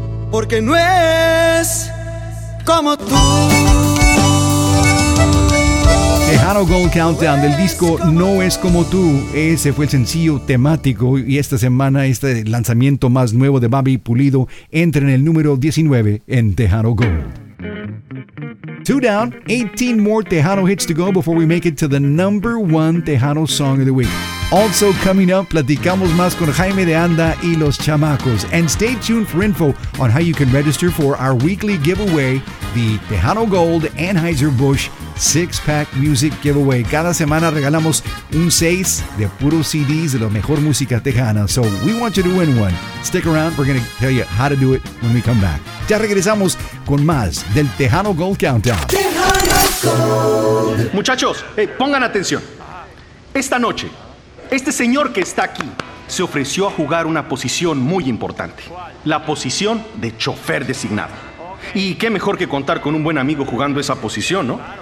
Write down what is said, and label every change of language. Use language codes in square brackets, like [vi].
[es] Porque no es como tú. Tejano Gold Countdown del disco No es como tú. Ese fue el sencillo temático y esta semana este lanzamiento más nuevo de Bobby Pulido entra en el número 19 en Tejano Gold. [en] Two down, 18 more Tejano hits to go before we make it to the number one Tejano song of the week. Also coming up, [es] platicamos más con Jaime de Anda y los chamacos. [en] And stay tuned for info on how you can register for our weekly giveaway, the Tejano Gold Anheuser-Busch 6-Pack Music Giveaway. [es] Cada semana regalamos un 6 de puro CDs de la mejor música tejana. [en] So we want you to win one. Stick around, we're going to tell you how to do it when we come back. [es] Ya regresamos con más del Tejano Gold Countdown. Tejano Gold. Muchachos, hey, pongan atención. Esta noche, este señor que está aquí se ofreció a jugar una posición muy importante. La posición de chofer designado. Y qué mejor que contar con un buen amigo jugando esa posición, ¿no?